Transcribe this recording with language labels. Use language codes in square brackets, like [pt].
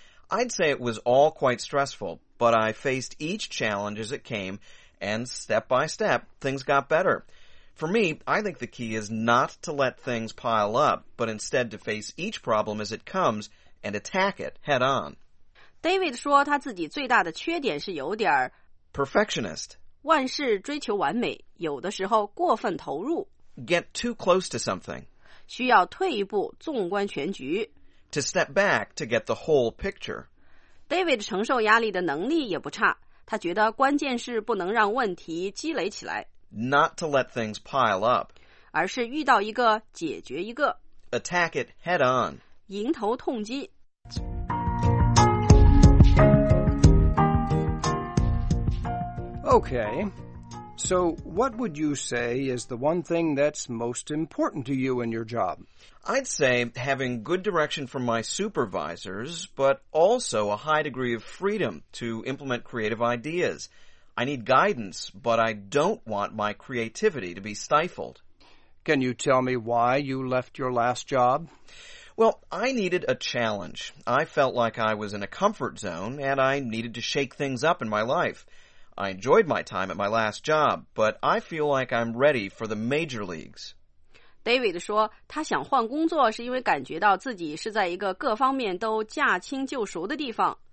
[en] I'd say it was all quite stressful, but I faced each challenge as it came, and step by step, things got better. For me, I think the key is not to let things pile up, but instead to face each problem as it comes and attack it head on. [zh] David 说他自己最大的缺点是有点 [en] Perfectionist. [zh] 万事追求完美，有的时候过分投入。 [en] Get too close to something. [zh] 需要退一步，纵观全局。 [en] To step back to get the whole picture. [zh] David 承受压力的能力也不差，他觉得关键是不能让问题积累起来。 [en] Not to let things pile up. [zh] 而是遇到一个解决一个。 [en] Attack it head on. [zh] 迎头痛击。 [en] Okay, so what would you say is the one thing that's most important to you in your job? I'd say having good direction from my supervisors, but also a high degree of freedom to implement creative ideas. I need guidance, but I don't want my creativity to be stifled. Can you tell me why you left your last job? Well, I needed a challenge. I felt like I was in a comfort zone, and I needed to shake things up in my life. I enjoyed my time at my last job, but I feel like I'm ready for the major leagues. [zh] David 说他想换工作是因为感觉到自己是在一个各方面都驾轻就熟的地方。